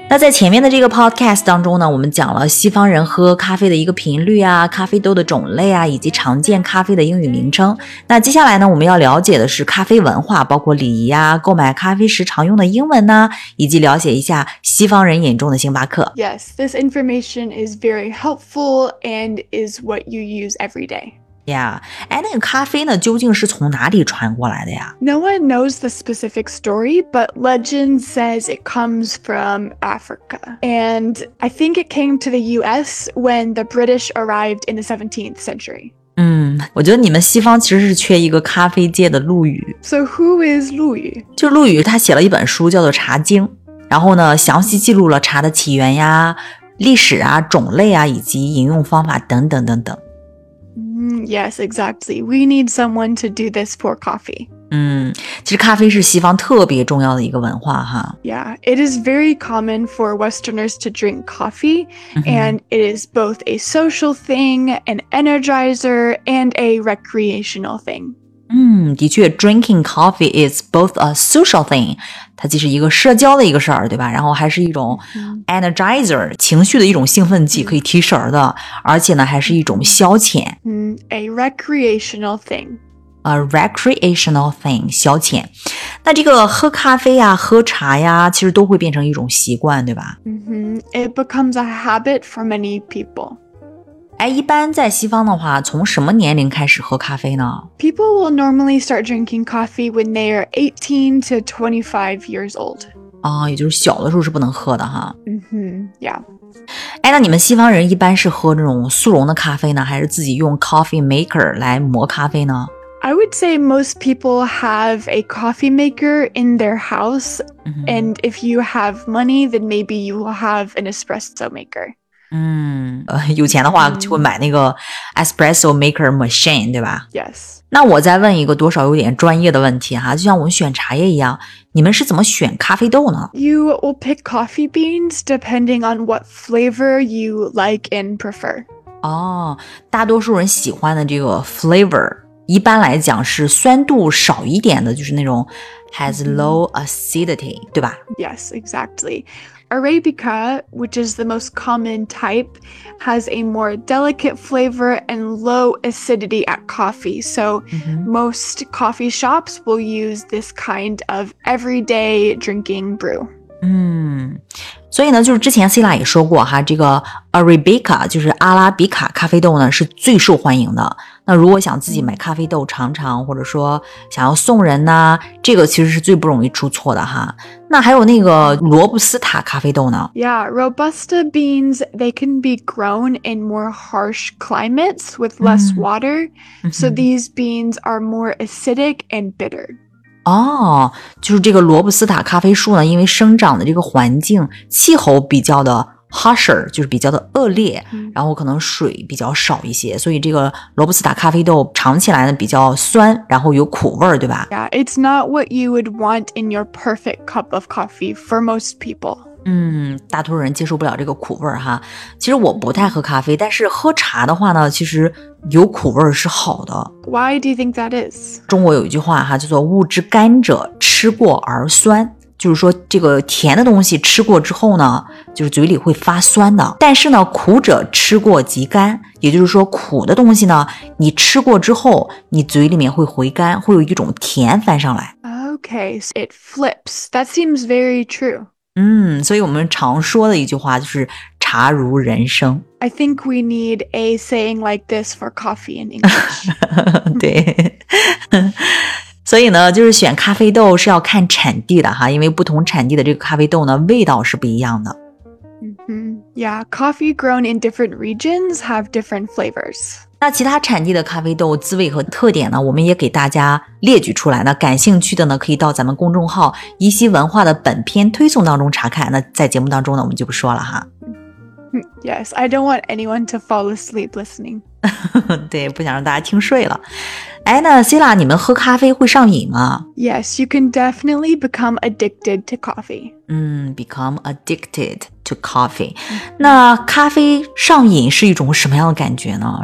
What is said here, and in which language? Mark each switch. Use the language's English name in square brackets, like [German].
[Chinese] 那在前面的这个 podcast 当中呢，我们讲了西方人喝咖啡的一个频率啊，咖啡豆的种类啊，以及常见咖啡的英语名称。那接下来呢，我们要了解的是咖啡文化，包括礼仪啊，购买咖啡时常用的英文呢，以及了解一下西方人眼中的星巴克。 [English] Yes, this information is very helpful and is what you use every day. [Chinese] Yeah, 那个咖啡呢究竟是从哪里传过来的呀 [English] No one knows the specific story, but legend says it comes from Africa. And I think it came to the US when the British arrived in the 17th century. [Chinese] 我觉得你们西方其实是缺一个咖啡界的陆羽。 [English] So who is 陆羽？ [Chinese] 就陆羽他写了一本书叫做《茶经》，然后呢详细记录了茶的起源呀、历史啊、种类啊以及饮用方法等等等等。 [English] Yes, exactly. We need someone to do this for coffee. [Chinese] 其实咖啡是西方特别重要的一个文化哈。 [English] Yeah, it is very common for Westerners to drink coffee, and it is both a social thing, an energizer, and a recreational thing. [Chinese] 的确 , [English] drinking coffee is both a social thing, [Chinese] 它既是一个社交的一个事儿对吧然后还是一种 energizer, 情绪的一种兴奋剂可以提神的而且呢还是一种消遣。 [English] A recreational thing. A recreational thing, 消遣。 [Chinese] 那这个喝咖啡啊喝茶呀其实都会变成一种习惯对吧、 [English] It becomes a habit for many people. [Chinese] 一般在西方的话从什么年龄开始喝咖啡呢 [English] People will normally start drinking coffee when they are 18 to 25 years old. [Chinese] 也就是小的时候是不能喝的哈。 [English] Yeah. [Chinese] 那你们西方人一般是喝这种速溶的咖啡呢还是自己用 coffee maker 来磨咖啡呢 [English] I would say most people have a coffee maker in their house,and if you have money, then maybe you will have an espresso maker. [Chinese] 有钱的话就会买那个 espresso maker machine, 对吧 [English] Yes. [Chinese] 那我再问一个多少有点专业的问题哈，就像我们选茶叶一样，你们是怎么选咖啡豆呢 [English] You will pick coffee beans depending on what flavor you like and prefer. [Chinese] 大多数人喜欢的这个 flavor, 一般来讲是酸度少一点的，就是那种 [English] has low acidity, [Chinese] 对吧 [English] Yes, exactly. Arabica, which is the most common type, has a more delicate flavor and low acidity at coffee. So, most coffee shops will use this kind of everyday drinking brew. [Chinese] 所以呢，就是之前 Sila 也说过哈，这个 Arabica 就是阿拉比卡咖啡豆呢是最受欢迎的。那如果想自己买咖啡豆尝尝，或者说想要送人呢，这个其实是最不容易出错的哈。那还有那个罗布斯塔咖啡豆呢 [English] ？Yeah, Robusta beans. They can be grown in more harsh climates with less water, so these beans are more acidic and bitter. [Chinese] 就是这个罗布斯塔咖啡树呢因为生长的这个环境气候比较的 harsher 就是比较的恶劣然后可能水比较少一些所以这个罗布斯塔咖啡豆尝起来呢比较酸然后有苦味对吧 [English] Yeah, it's not what you would want in your perfect cup of coffee for most people. [Chinese] 大多数人接受不了这个苦味哈。其实我不太喝咖啡但是喝茶的话呢其实有苦味是好的。 [English] Why do you think that is? [Chinese] 中国有一句话哈叫做物之甘者吃过而酸。就是说这个甜的东西吃过之后呢就是嘴里会发酸的。但是呢苦者吃过即甘。也就是说苦的东西呢你吃过之后你嘴里面会回甘会有一种甜翻上来。 [English] Okay, so it flips. That seems very true. [Chinese] 所以我们常说的一句话就是茶如人生。 [English] I think we need a saying like this for coffee in English. [Chinese] 对。所以呢就是选咖啡豆是要看产地的哈因为不同产地的这个咖啡豆呢味道是不一样的。 [English] Yeah, coffee grown in different regions have different flavors. [Chinese] 那其他产地的咖啡豆滋味和特点呢我们也给大家列举出来呢感兴趣的呢可以到咱们公众号一席文化的本篇推送当中查看那在节目当中呢我们就不说了哈。 [English] Yes, I don't want anyone to fall asleep listening. [Chinese] 对，不想让大家听睡了。哎，那 Sila， 你们喝咖啡会上瘾吗？ [English] Yes, you can definitely become addicted to coffee. Become addicted to coffee. [Chinese] 那咖啡上瘾是一种什么样的感觉呢？